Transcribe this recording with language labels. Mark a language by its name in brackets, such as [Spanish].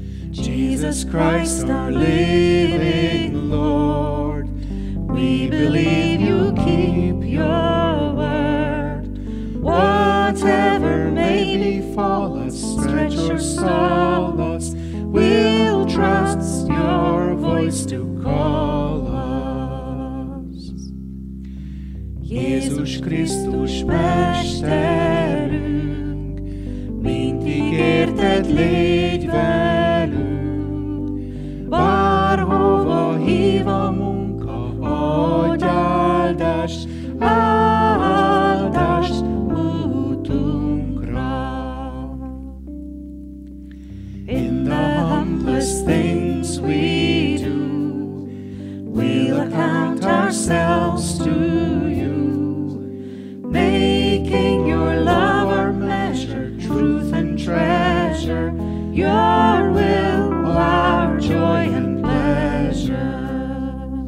[English] Jesus Christ, our living Lord, we believe you keep your word. Whatever may befall us, stretch or stall us, we'll trust your voice to call us. [Hungarian] Jesus Christus, Mesterünk, mindig érted légy velünk. Bárhova hív a munka, adj áldást, áldást útunkra. [English] In the humblest things we do, we'll account ourselves to you, making your love our measure, truth and treasure, your will our joy and pleasure.